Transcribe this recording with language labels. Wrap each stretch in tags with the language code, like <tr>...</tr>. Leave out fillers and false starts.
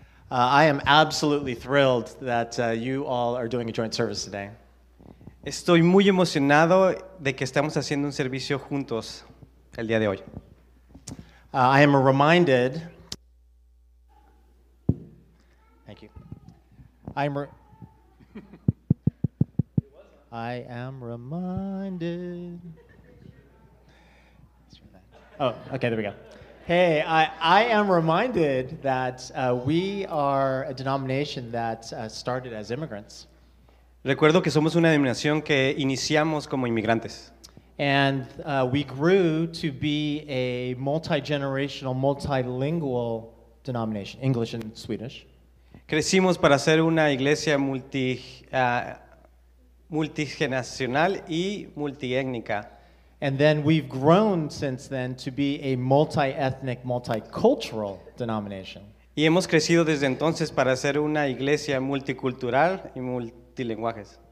<en>I am absolutely thrilled that you all are doing a joint service today.</en> <es>Estoy muy emocionado de que estamos haciendo un servicio juntos el día de hoy.</es> <en>I am reminded. Thank you. I am reminded. Oh, okay, there we go. Hey, I am reminded that we are a denomination that started as immigrants.</en> <es>Recuerdo que somos una denominación que iniciamos como inmigrantes.</es> <en>And we grew to be a multi-generational, multilingual denomination, English and Swedish.</en> <es>Crecimos para ser una iglesia multigeneracional y multiétnica.</es> <en>And then we've grown since then to be a multi-ethnic, multicultural denomination.</en> <es>Y hemos crecido desde entonces para ser una iglesia multicultural y lenguajes.</es>